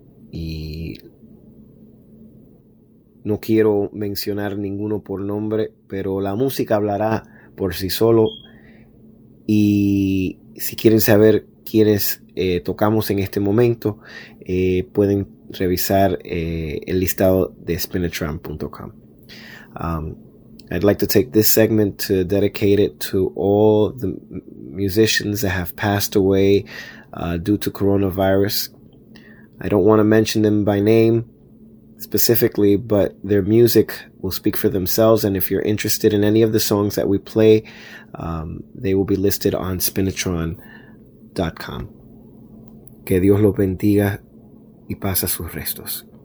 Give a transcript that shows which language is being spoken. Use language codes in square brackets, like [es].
[es] Y no quiero mencionar ninguno por nombre, pero la música hablará por sí solo. Y si quieren saber quiénes tocamos en este momento, pueden revisar el listado de spinatram.com. [en] I'd like to take this segment to dedicate it to all the musicians that have passed away due to coronavirus. I don't want to mention them by name specifically, but their music will speak for themselves. And if you're interested in any of the songs that we play, they will be listed on spinatron.com. [es] Que Dios los bendiga y pase sus restos.